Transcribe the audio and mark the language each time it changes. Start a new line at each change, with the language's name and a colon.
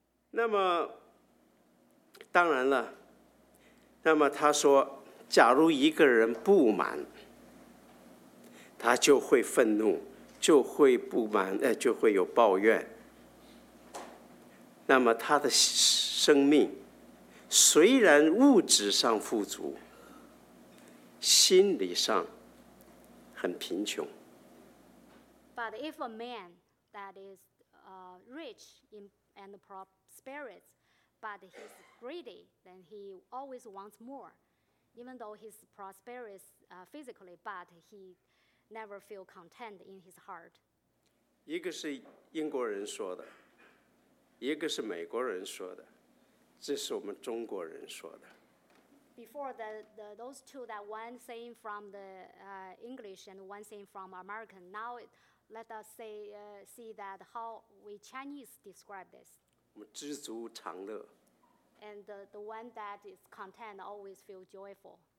Chinese: 那么，当然了，那么他说，假如一个人不满，他就会愤怒，就会不满，就会有抱怨。那么他的生命虽然物质上富足，心理上很贫穷。
English: But if a man that is rich in and prosperity, but he's greedy, then he always wants more. Even though he's prosperous physically, but he never feel content in his heart.
Chinese: 一个是英国人说的，一个是美国人说的，这是我们中国人说的。
English: Before those two, that one saying from the English and one saying from American. Now, let us say see that how we Chinese describe this.
Chinese: 我们知足常乐。
English: And the one that is content always feel joyful.